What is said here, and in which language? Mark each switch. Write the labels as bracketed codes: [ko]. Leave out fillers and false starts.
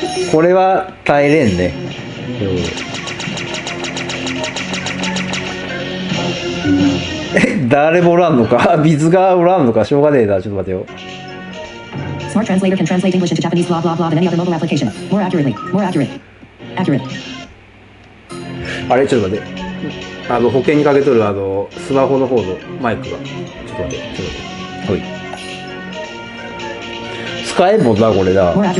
[ja] これは耐えれんね。誰もおらんのか。水がおらんのか。しょうがねえな。ちょっと待てよ。 [en] スマートトランスレーター can translate English into Japanese blah blah blah than any other mobile application. More accurately. More accurate. Accurate. [ja] あれ、ちょっと待って。あの保険にかけとるあのスマホの方のマイクが。ちょっと待って。ちょっと待って。はい、使えんもんなこれな。